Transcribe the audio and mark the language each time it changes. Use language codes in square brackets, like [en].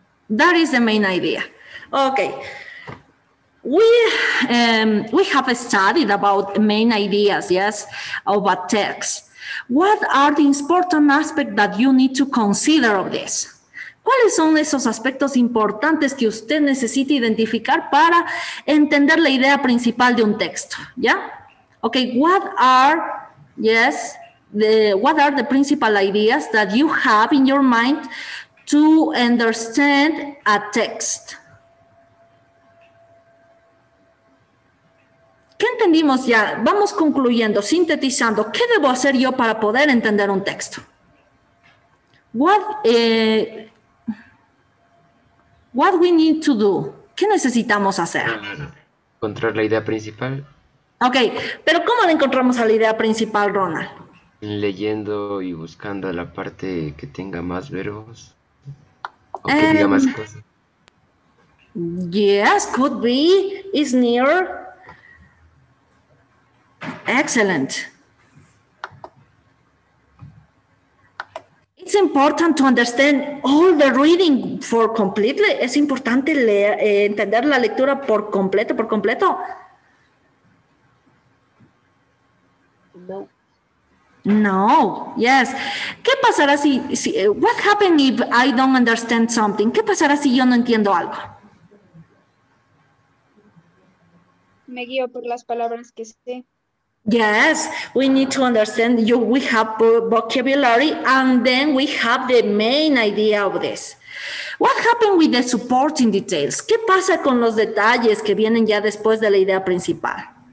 [en] That is the main idea. Okay. We have studied about main ideas, yes, of a text. What are the important aspects that you need to consider of this? [es] ¿Cuáles son esos aspectos importantes que usted necesita identificar para entender la idea principal de un texto? ¿Ya? [en] Okay, what are the principal ideas that you have in your mind to understand a text? [es] ¿Qué entendimos ya? Vamos concluyendo, sintetizando. ¿Qué debo hacer yo para poder entender un texto? [en] What we need to do? [es] ¿Qué necesitamos hacer? Encontrar la idea principal. Ok, pero ¿cómo le encontramos a la idea principal, Ronald? Leyendo y buscando la parte que tenga más verbos o que diga más cosas. [en] Yes, could be, is near. Excellent. It's important to understand all the reading for completely. [es] Es importante entender la lectura por completo, por completo. No. [en] No, yes. [es] ¿Qué pasará si, [en] what happened if I don't understand something? [es] ¿Qué pasará si yo no entiendo algo? Me guío por las palabras que sé. [en] Yes, we need to understand you. We have vocabulary and then we have the main idea of this. What happened with the supporting details? [es] ¿Qué pasa con los detalles que vienen ya después de la idea principal?